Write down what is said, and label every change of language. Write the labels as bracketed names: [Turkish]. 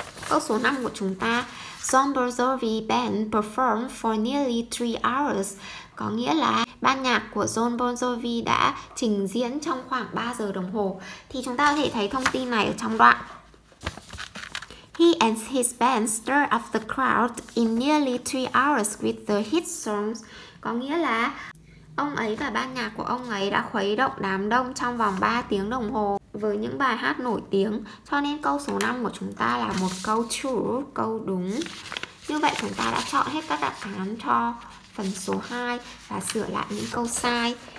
[Vietnamese] Câu số 5 của chúng ta, [English] Son Bozovi Band performed for nearly 3 hours. [Vietnamese] Có nghĩa là ban nhạc của John Bon Jovi đã trình diễn trong khoảng 3 giờ đồng hồ. Thì chúng ta có thể thấy thông tin này ở trong đoạn. [English] He and his band stirred up the crowd in nearly 3 hours with the hit songs. [Vietnamese] Có nghĩa là ông ấy và ban nhạc của ông ấy đã khuấy động đám đông trong vòng 3 tiếng đồng hồ với những bài hát nổi tiếng. Cho nên câu số 5 của chúng ta là một câu true, câu đúng. Như vậy chúng ta đã chọn hết các đáp án cho phần số 2 và sửa lại những câu sai.